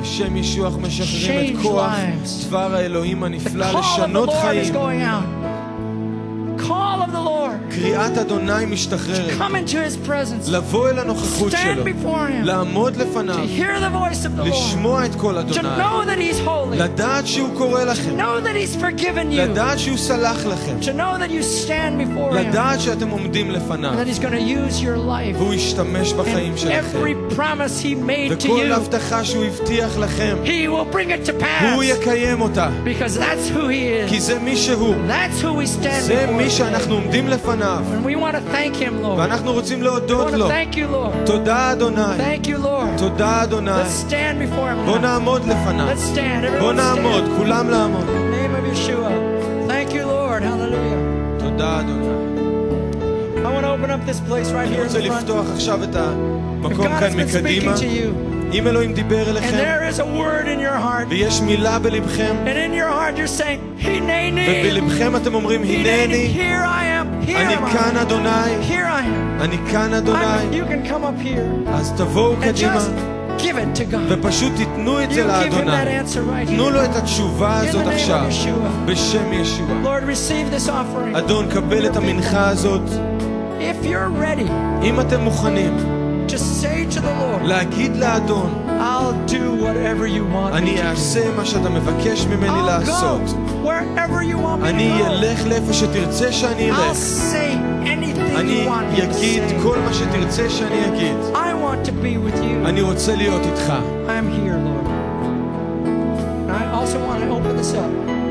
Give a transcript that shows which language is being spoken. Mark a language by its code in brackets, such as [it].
[he] בשם ישוע אנחנו משחררים את כוח דבר האלוהים הנפלא לשנות חיים. [en] Call of the Lord. [he] קריאת אדוני משתחררת. [en] Come into his presence. [he] לבוא אל הנוכחות שלו. [en] Stand before him. [he] לעמוד לפניו. [en] To hear the voice of the Lord. [he] לשמוע את קול אדוני. [en] To know that he's holy. [he] לדעת שהוא קורא לכם. [en] To know that he's forgiven you. [he] לדעת שהוא סלח לכם. [en] To know that you stand before him. [he] לדעת שאתם עומדים לפניו. [en] That he's going to use your life. [he] הוא ישתמש בחיים שלכם. [en] Every promise he made to you. [he] וכל הבטחה שהוא הבטיח לכם. [en] He will bring it to pass. [he] הוא יקיים אותה. [en] Because that's who he is. [he] כי זה מי שהוא. [en] That's who we stand before. [he] זה מי שאנחנו עומדים לפניו. לפניו. [en] And we want to thank him, Lord. [he] ואנחנו רוצים להודות לו. [en] Thank you, Lord. [he] תודה אדוני. [en] Thank you, Lord. [he] תודה אדוני. [en] Let's stand before him. [he] בוא נעמוד לפניו. [en] Let's stand. [he] בוא נעמוד, כולם לעמוד. [en] In the name of Yeshua. Thank you, Lord. Hallelujah. [he] תודה אדוני. [en] I want to open up this place right here in the front. [he] לפתוח עכשיו את המקום כאן מקדימה. אם אלוהים דיבר אליכם, [en] and there is a word in your heart. [he] ויש מילה בלבכם. [en] And in your heart you're saying, "Hineni." [he] ובלבכם אתם אומרים, "Hineni." [en] Here I am. Here [he] אני כאן אדוני. [en] Here I am. [he] אני כאן אדוני. [en] You can come up here. [he] אז תבואו קדימה. [en] Give it to God. [he] ופשוט תיתנו את זה לאדוני. [en] You give him that answer right here. [he] תנו לו את התשובה הזאת עכשיו. בשם ישוע. [en] Lord, receive this offering. [he] אדון, קבל את המנחה הזאת. [en] If you're ready, [he] אם אתם מוכנים, [en] just say to the Lord, [he] להגיד לאדון, [en] I'll do whatever you want. [he] אני אעשה מה שאתה מבקש ממני לעשות. [en] Wherever you want me to go. [he] אני אלך לאיפה שתרצה שאני אלך. [en] I'll say anything. [he] אני אגיד כל מה שתרצה שאני אגיד. [en] I want to be with you. [he] אני רוצה להיות איתך. [en] I'm here, Lord. And I also want to open this up.